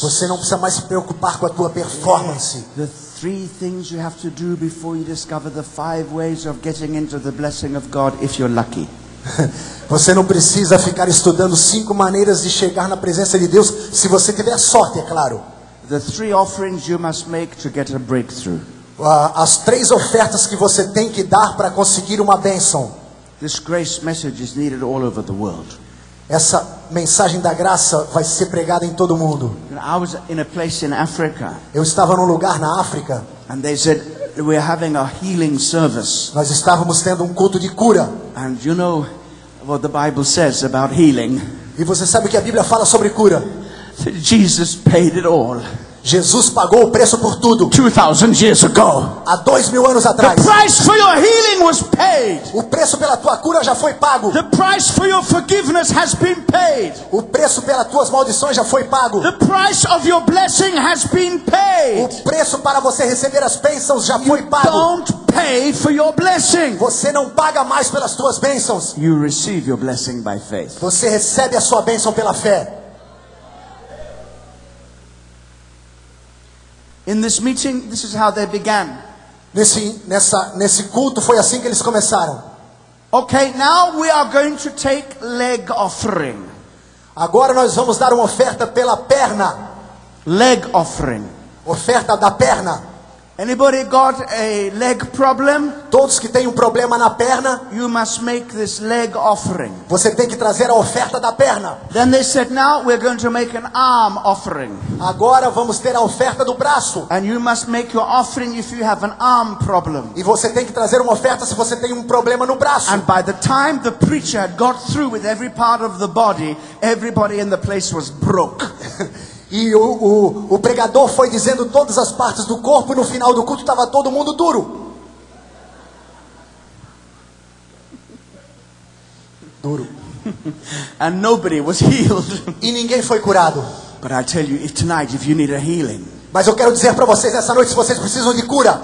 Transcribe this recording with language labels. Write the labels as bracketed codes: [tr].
[pt] Você não precisa mais se preocupar com a tua performance. [en] The three things you have to do before you discover the five ways of getting into the blessing of God if you're lucky. [pt] Você não precisa ficar estudando cinco maneiras de chegar na presença de Deus se você tiver sorte, é claro. [en] The three offerings you must make to get a breakthrough. [pt] As três ofertas que você tem que dar para conseguir uma bênção. [en] This grace message is needed all over the world. [pt] Essa mensagem da graça vai ser pregada em todo mundo. [en] I was in a place in Africa. [pt] Eu estava num lugar na África. [en] And they said, we are having a healing service. [pt] Nós estávamos tendo um culto de cura. [en] And you know what the Bible says about healing. [pt] E você sabe o que a Bíblia fala sobre cura? [en] Jesus paid it all. [pt] Jesus pagou o preço por tudo. [en] 2000 years ago. [pt] Há 2000 anos atrás. [en] The price for your healing was paid. [pt] O preço pela tua cura já foi pago. [en] The price for your forgiveness has been paid. [pt] O preço pelas tuas maldições já foi pago. [en] The price of your blessing has been paid. [pt] O preço para você receber as bênçãos já foi pago. [en] You don't pay for your blessing. [pt] Você não paga mais pelas tuas bênçãos. [en] You receive your blessing by faith. [pt] Você recebe a sua bênção pela fé. [en] In this meeting, this is how they began. [pt] Nesse culto foi assim que eles começaram. [en] Okay, now we are going to take leg offering. [pt] Agora nós vamos dar uma oferta pela perna. [en] Leg offering. [pt] Oferta da perna. [en] Anybody got a leg problem? [pt] Todos que têm um problema na perna, [en] you must make this leg offering. [pt] Você tem que trazer a oferta da perna. [en] Then they said, now we're going to make an arm offering. [pt] Agora vamos ter a oferta do braço. [en] And you must make your offering if you have an arm problem. [pt] E você tem que trazer uma oferta se você tem um problema no braço. [en] And by the time the preacher had got through with every part of the body, everybody in the place was broke. [pt] E o pregador foi dizendo todas as partes do corpo e no final do culto estava todo mundo duro. Duro. [en] And nobody was healed. [pt] E ninguém foi curado. [en] But I tell you, if tonight, if you need a healing, [pt] mas eu quero dizer para vocês essa noite, se vocês precisam de cura,